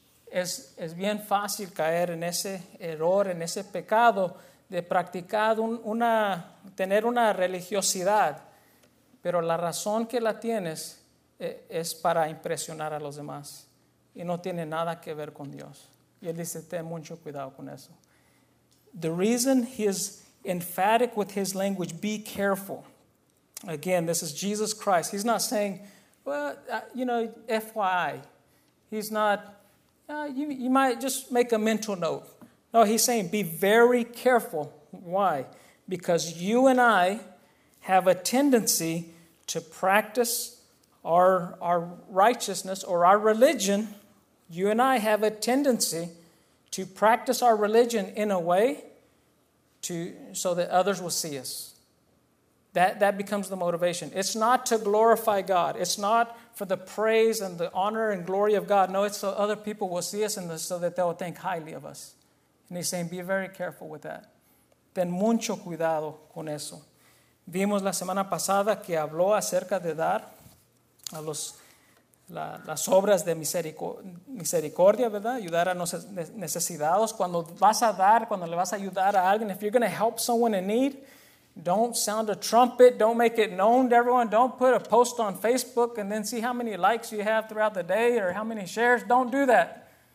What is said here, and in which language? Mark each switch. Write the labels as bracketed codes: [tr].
[es] Es bien fácil caer en ese error, en ese pecado de practicar tener una religiosidad pero la razón que la tienes es para impresionar a los demás y no tiene nada que ver con Dios. Y él dice, ten mucho cuidado con eso. [en] The reason he is emphatic with his language, be careful. Again, this is Jesus Christ. He's not saying, well, you know, FYI. He's not, you might just make a mental note. No, he's saying, be very careful. Why? Because you and I have a tendency to practice our righteousness or our religion. You and I have a tendency to practice our religion in a way to so that others will see us. That becomes the motivation. It's not to glorify God. It's not for the praise and the honor and glory of God. No, it's so other people will see us in this, so that they'll think highly of us. And he's saying, be very careful with that. [es] Ten mucho cuidado con eso. Vimos la semana pasada que habló acerca de dar a los las obras de misericordia, ¿verdad? Ayudar a los necesitados. Cuando vas a dar, cuando le vas a ayudar a alguien, [en] if you're going to help someone in need, don't sound a trumpet, don't make it known to everyone, don't put a post on Facebook and then see how many likes you have throughout the day or how many shares. Don't do that.